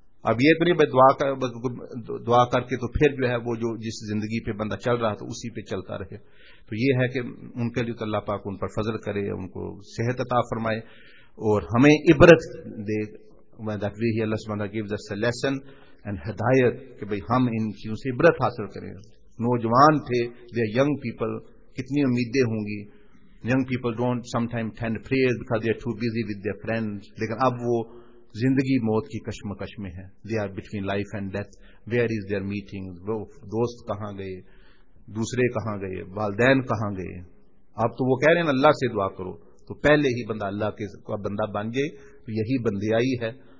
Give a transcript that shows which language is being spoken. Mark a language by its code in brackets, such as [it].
[ur] اب یہ تو نہیں بھائی دعا کر کے تو پھر جو ہے وہ جو جس زندگی پہ بندہ چل رہا تھا اسی پہ چلتا رہے. تو یہ ہے کہ ان کے لیے تو اللہ پاک ان پر فضل کرے, ان کو صحت عطا فرمائے اور ہمیں عبرت دے. [en] that we he Allah سبحانہ gives us a lesson and ہدایت [ur] کہ بھئی ہم ان چیزوں سے عبرت حاصل کریں. نوجوان تھے, [en] the young people, [ur] کتنی امیدیں ہوں گی. [en] Young people don't some time tend prayer because they are too busy with their friends. [ur] لیکن اب وہ زندگی موت کی کشمکش میں ہے. [en] They are between life and death. Where is their meeting? [ur] دوست کہاں گئے, دوسرے کہاں گئے, والدین کہاں گئے. اب تو وہ کہہ رہے ہیں اللہ سے دعا کرو. تو پہلے ہی بندہ اللہ کا بندہ بن جائے تو یہی بندیائی ہے.